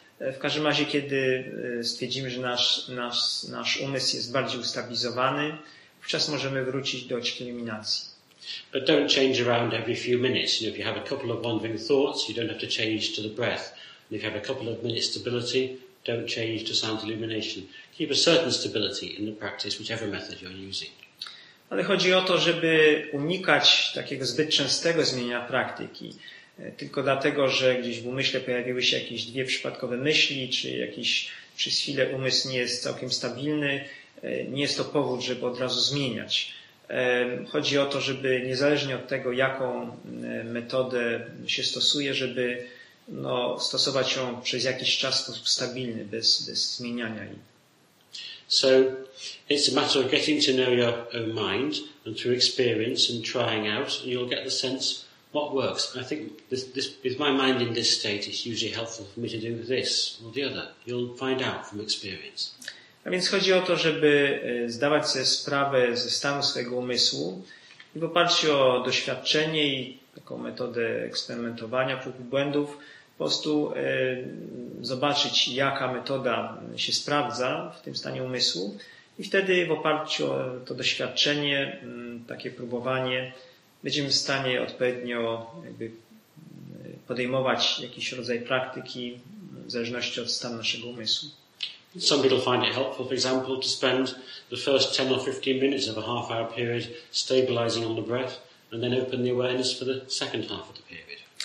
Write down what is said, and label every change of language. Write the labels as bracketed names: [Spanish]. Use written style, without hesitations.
[Polish] W każdym razie, kiedy stwierdzimy, że nasz umysł jest bardziej ustabilizowany, wówczas możemy wrócić do ćwiczeń iluminacji. [English] But don't change around every few minutes. You know, if you have a couple of wandering thoughts, you don't have to change to the breath. And if you have a couple of minutes stability, don't change to sound illumination. Keep a certain stability in the practice, whichever method you're using. [Polish] Ale chodzi o to, żeby unikać takiego zbyt częstego zmienia praktyki. Tylko dlatego, że gdzieś w umyśle pojawiły się jakieś dwie przypadkowe myśli, czy jakiś przez chwilę umysł nie jest całkiem stabilny, nie jest to powód, żeby od razu zmieniać. Chodzi o to, żeby niezależnie od tego, jaką metodę się stosuje, żeby no, stosować ją przez jakiś czas w sposób stabilny, bez zmieniania jej. [English] So it's a matter of getting to know your own mind and through experience and trying out, and you'll get the sense what works. And I think this with my mind in this state, it's usually helpful for me to do this or the other. You'll find out from experience. [Polish] A więc chodzi o to, żeby zdawać sobie sprawę ze stanu swojego umysłu i w oparciu o doświadczenie i taką metodę eksperymentowania prób i błędów, po prostu zobaczyć, jaka metoda się sprawdza w tym stanie umysłu i wtedy w oparciu o to doświadczenie, takie próbowanie, będziemy w stanie odpowiednio jakby podejmować jakiś rodzaj praktyki w zależności od stanu naszego umysłu. [English] Some people find it helpful, for example, to spend the first 10 or 15 minutes of a half hour period stabilizing on the breath and then open the awareness for the second half of the period.